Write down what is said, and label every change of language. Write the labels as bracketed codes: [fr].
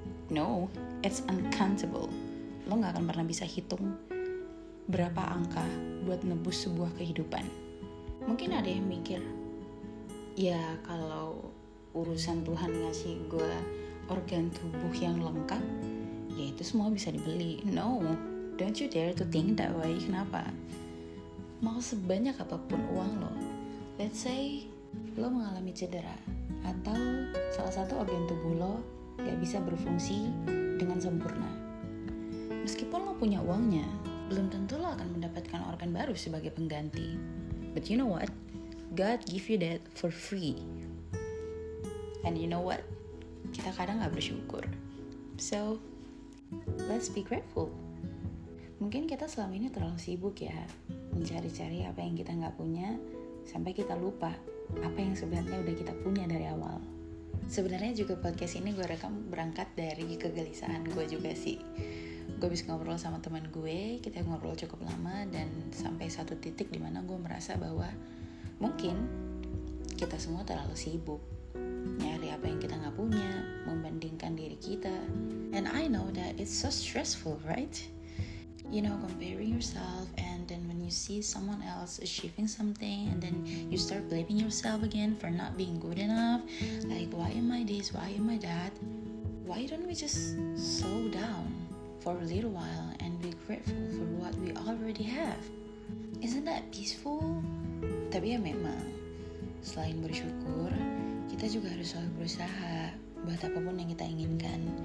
[en] No, it's uncountable. [id] Lo gak akan pernah bisa hitung berapa angka buat nebus sebuah kehidupan. Mungkin ada yang mikir, ya kalau urusan Tuhan ngasih gue organ tubuh yang lengkap, ya itu semua bisa dibeli. [en] No, don't you dare to think that way. [id] Kenapa? Mau sebanyak apapun uang lo, [en] let's say [id] lo mengalami cedera atau salah satu organ tubuh lo gak bisa berfungsi dengan sempurna, meskipun lo punya uangnya, belum tentu lo akan mendapatkan organ baru sebagai pengganti. [en] But you know what? God give you that for free. And you know what? [id] Kita kadang gak bersyukur. [en] So, let's be grateful. [id] Mungkin kita selama ini terlalu sibuk ya, mencari-cari apa yang kita gak punya, sampai kita lupa apa yang sebenarnya udah kita punya dari awal. Sebenarnya juga podcast ini gue rekam berangkat dari kegelisahan gue juga sih. Gue habis ngobrol sama teman gue, kita ngobrol cukup lama, dan sampai satu titik dimana gue merasa bahwa mungkin kita semua terlalu sibuk nyari apa yang kita gak punya, membandingkan diri kita. [en] And I know that it's so stressful, right? You know, comparing yourself, and then when you see someone else achieving something, and then you start blaming yourself again for not being good enough. Like, why am I this? Why am I that? Why don't we just slow down for a little while and be grateful for what we already have? Isn't that peaceful? [id] Tapi ya memang, selain bersyukur, kita juga harus selalu berusaha buat apapun yang kita inginkan.